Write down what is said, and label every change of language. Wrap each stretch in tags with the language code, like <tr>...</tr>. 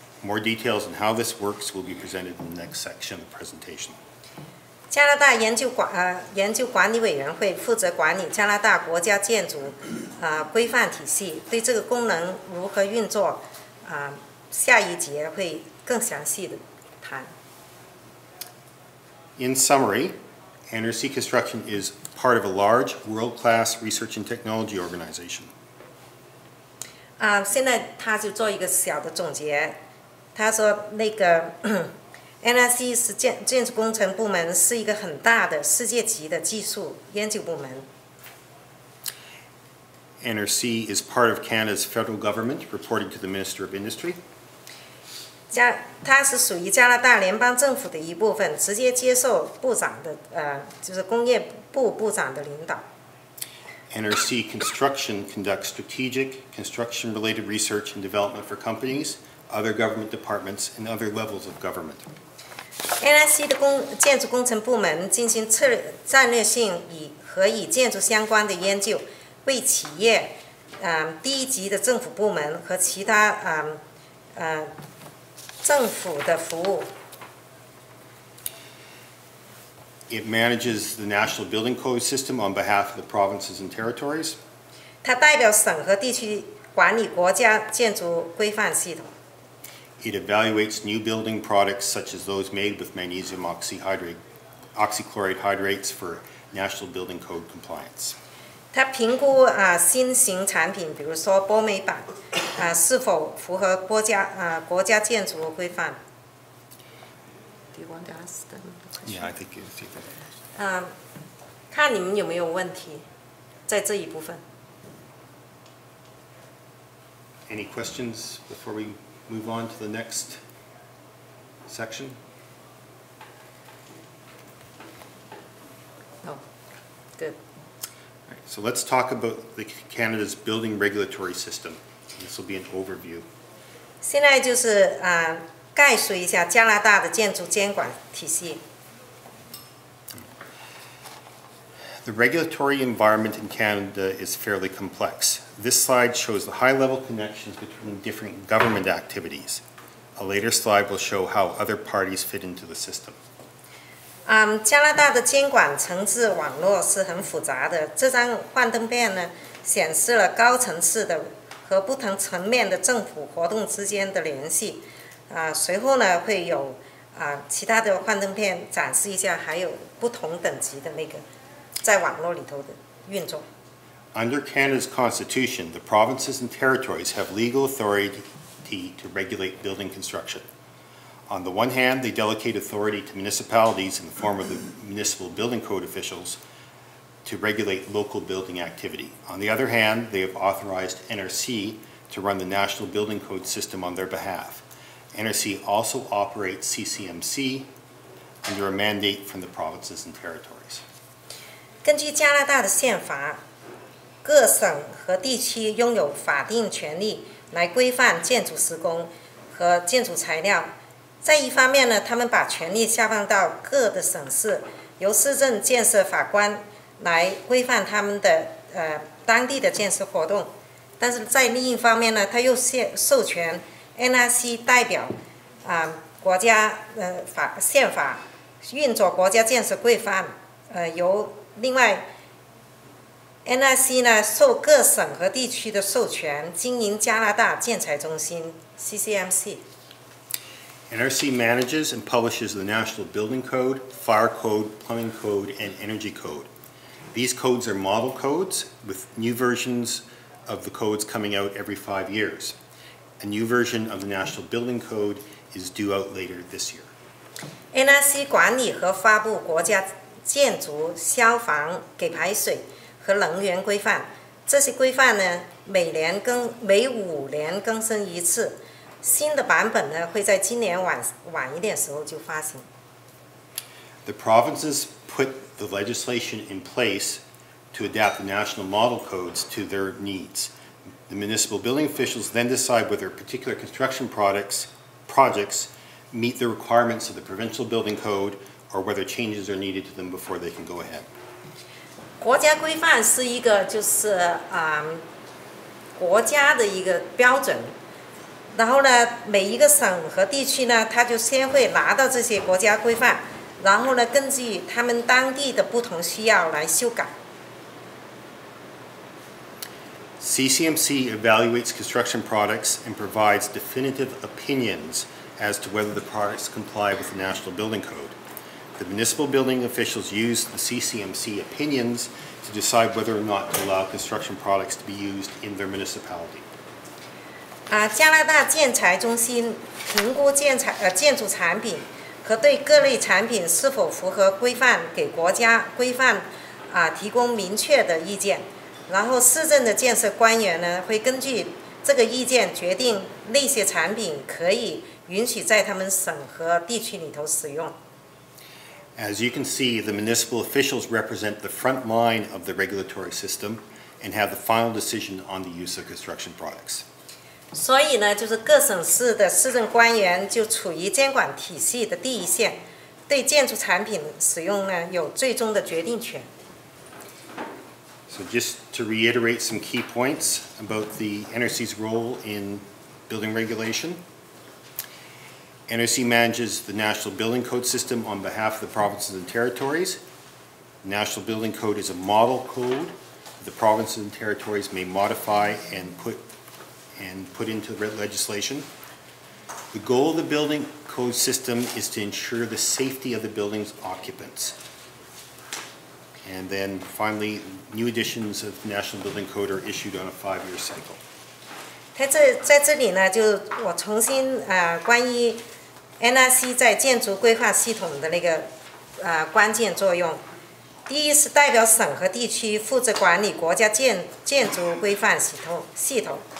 <en>More details on how this works will be presented in the next section of the presentation.</en> <zh>加拿大研究管理委员会负责管理加拿大国家建筑规范体系，对这个功能如何运作下一节会更详细的谈。</zh> <en>In summary, NRC Construction is part of a large world-class research and technology organization.</en> <zh>现在他就做一个小的总结，他说那个NRC 是建筑工程部门，是一个很大的世界级的技术研究部门。</zh> <en>NRC is part of Canada's federal government, reporting to the Minister of Industry.</en> <zh>他是属于加拿大联邦政府的一部分，直接接受部长的就是工业部部长的领导。</zh> <en>NRC Construction conducts strategic construction-related research and development for companies, other government departments, and other levels of government.</en> <zh>NRC 的建筑工程部门进行战略性和与建筑相关的研究，为企业、低级的政府部门和其他政府的服务。</zh> <en>It manages the National Building Code System on behalf of the provinces and territories.</en> <zh>它代表省和地区管理国家建筑规范系统。</zh> <en>It evaluates new building products such as those made with magnesium oxychloride hydrates for National Building Code compliance.</en> <zh>它评估新型产品，比如说玻璃板，是否符合国家建筑规范。</zh> <en>Do you want to ask them? Yeah, I think it's good.</en> <zh>看你们有没有问题，在这一部分。</zh> <en>Any questions before we move on to the next section? No. Good. All right, so let's talk about the Canada's building regulatory system. This will be an overview.</en> <zh>现在就是概述一下加拿大的建筑监管体系。</zh> <en>The regulatory environment in Canada is fairly complex. This slide shows the high-level connections between different government activities. A later slide will show how other parties fit into the system.</en> <zh>加拿大的监管层次网络是很复杂的。这张幻灯片呢，显示了高层次的和不同层面的政府活动之间的联系。随后呢会有其他的幻灯片展示一下还有不同等级的那个在网络里头的运作。</zh> <en>Under Canada's constitution, the provinces and territories have legal authority to regulate building construction. On the one hand, they delegate authority to municipalities in the form of the municipal building code officials to regulate local building activity. On the other hand, they have authorized NRC to run the national building code system on their behalf. NRC also operates CCMC under a mandate from the provinces and territories.</en> <zh>根据加拿大的宪法，各省和地区拥有法定权利来规范建筑施工和建筑材料。在一方面呢，他们把权利下放到各的省市，由市政建设法官来规范他们的当地的建设活动，但是在另一方面呢，他又授权 NRC 代表国家法宪法运作国家建设规范，由另外 NRC 呢受各省和地区的授权经营加拿大建材中心 CCMC。</zh> <en>NRC manages and publishes the National Building Code, Fire Code, Plumbing Code, and Energy Code. These codes are model codes, with new versions of the codes coming out every 5 years. A new version of the National Building Code is due out later this year.</en> <zh>NRC 管理和发布国家建筑、消防、给排水和能源规范。这些规范呢，每五年更新一次。新的版本呢，会在今年晚一点时候就发行。</zh> <en>The provinces put the legislation in place to adapt the national model codes to their needs. The municipal building officials then decide whether particular construction projects meet the requirements of the provincial building code or whether changes are needed to them before they can go ahead.</en> <zh>国家规范是一个就是国家的一个标准。然后呢，每一个省和地区呢，他就先会拿到这些国家规范，然后呢，根据他们当地的不同需要来修改。</zh> <en>CCMC evaluates construction products and provides definitive opinions as to whether the products comply with the National Building Code. The municipal building officials use the CCMC opinions to decide whether or not to allow construction products to be used in their municipality.</en> <zh>加拿大建材中心评估建筑产品和对各类产品是否符合规范，给国家规范提供明确的意见。然后市政的建设官员呢，会根据这个意见决定那些产品可以允许在他们省和地区里头使用。</zh> <en>As you can see, the municipal officials represent the front line of the regulatory system and have the final decision on the use of construction products.</en> <zh>所以呢，就是各省市的市政官员就处于监管体系的第一线，对建筑产品使用呢有最终的决定权。</zh> <en>So just to reiterate some key points about the NRC's role in building regulation. NRC manages the National Building Code system on behalf of the provinces and territories. National Building Code is a model code. The provinces and territories may modify and put into legislation. The goal of the building code system is to ensure the safety of the building's occupants. And then finally, new editions of the National Building Code are issued on a 5-year cycle.</en> <zh>在这里呢，就我重新关于 NRC 在建筑规划系统的那个关键作用。第一是代表省和地区负责管理国家建筑规范系统。</zh>